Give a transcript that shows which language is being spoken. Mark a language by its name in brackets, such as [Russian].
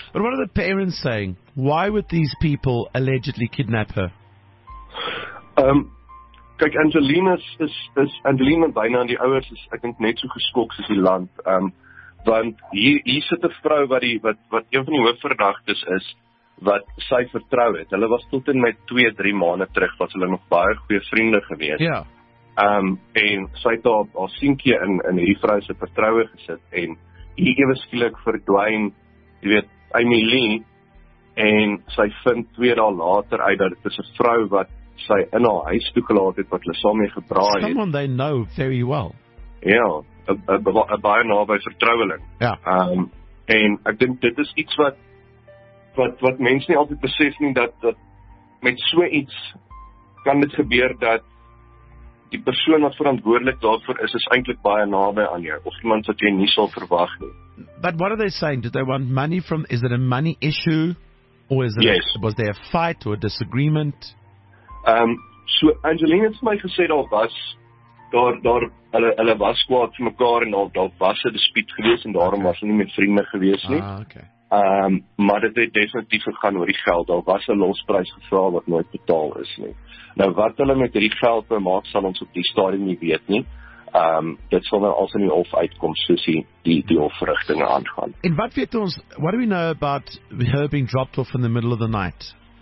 [English] But what are the parents saying? Why would these people allegedly kidnap her? [Afrikaans] Kyk, Angeline en byna aan die ouers is, ek dink, net so geskok soos die land. Want hier sit 'n vrou wat een van die hoofverdagtes is, wat sy vertrou het. Hulle was tot en met 2-3 maande terug, was hulle nog baie goeie vriende gewees. Ja. En sy het haar seentjie in hierdie vrou se vertroue gesit, en hier ewe skielik verdwyn, jy weet, Annelien, en sy vind 2 dae later uit dat dit is 'n vrou wat sy in haar huis toegelaat het, wat hulle saam mee gebraai het. [English] Someone they know very well. [Afrikaans] Ja, a baie naby vertroueling. Ja. En ek dink dit is iets wat mense nie altyd besef nie, dat met so iets kan dit gebeur dat die persoon wat verantwoordelik daarvoor is eintlik baie naby aan jou, of iemand wat jy nie sal verwag nie. [English] But what are they saying? Do they want money from, is it a money issue? Or is it, yes. Was there a fight or a disagreement? [Afrikaans] So Angeline het vir my gesê daar was hulle was kwaad vir mekaar en daar was 'n dispuut gewees en daarom was hulle nie met vriende gewees nie. [English] Ah, okay. [Afrikaans] Maar dit het definitief gegaan oor die geld. Daar was 'n losprys gevra wat nooit betaal is nie. Nou wat hulle met hierdie geld maak sal ons op die stadium nie weet nie. Dit sal nou als in die hof uitkom soos die hofverrigtinge aangaan. En wat weet ons, [English] what do we know about her being dropped off in the middle of the night?